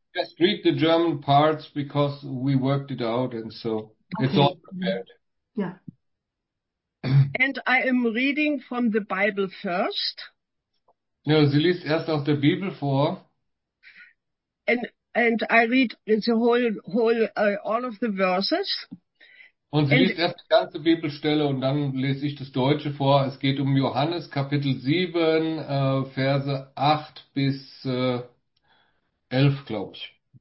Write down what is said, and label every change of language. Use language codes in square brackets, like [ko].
[en] Just read the German parts because we worked it out and so it's Okay. all prepared. [de] Ja. [en] And I am reading from the Bible first. [de] Ja, sie liest erst aus der Bibel vor. [en] And I read the all of the verses. [de] Und sie liest erst die ganze Bibelstelle und dann lese ich das Deutsche vor. Es geht um Johannes Kapitel 7, Verse 8 bis 11, glaube ich.